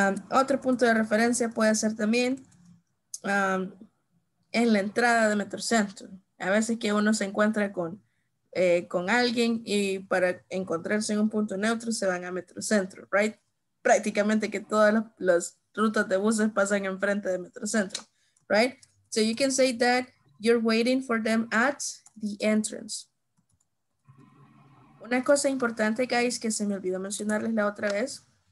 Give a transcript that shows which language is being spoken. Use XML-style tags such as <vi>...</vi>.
<es>Otro punto de referencia puede ser también en la entrada de Metrocentro. A veces que uno se encuentra con alguien y para encontrarse en un punto neutro se van a Metrocentro, right? Prácticamente que todas las rutas de buses pasan enfrente de Metrocentro, right?</es> <en>So you can say that you're waiting for them at the entrance.</en> <es>Una cosa importante, guys, que se me olvidó mencionarles la otra vez.</es>